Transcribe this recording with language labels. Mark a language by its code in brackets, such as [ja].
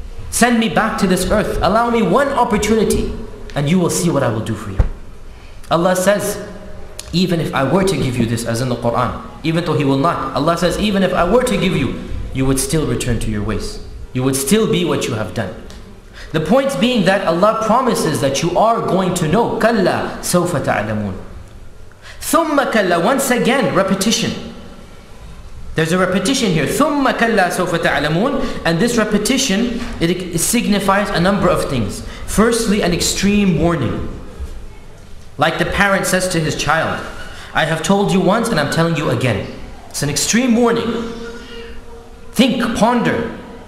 [en] Send me back to this earth. Allow me one opportunity. And you will see what I will do for you. Allah says, even if I were to give you this, as in the Quran, even though He will not, Allah says, even if I were to give you, you would still return to your ways. You would still be what you have done. The point being that Allah promises that you are going to know. [ar] كَلَّا سَوْفَ تَعْلَمُونَ ثُمَّ كَلَّا [en] Once again, repetition. There's a repetition here. [ar] ثُمَّ كَلَّا سَوْفَ تَعْلَمُونَ [en] And this repetition, it signifies a number of things. Firstly, an extreme warning. Like the parent says to his child, I have told you once and I'm telling you again. It's an extreme warning. Think, ponder.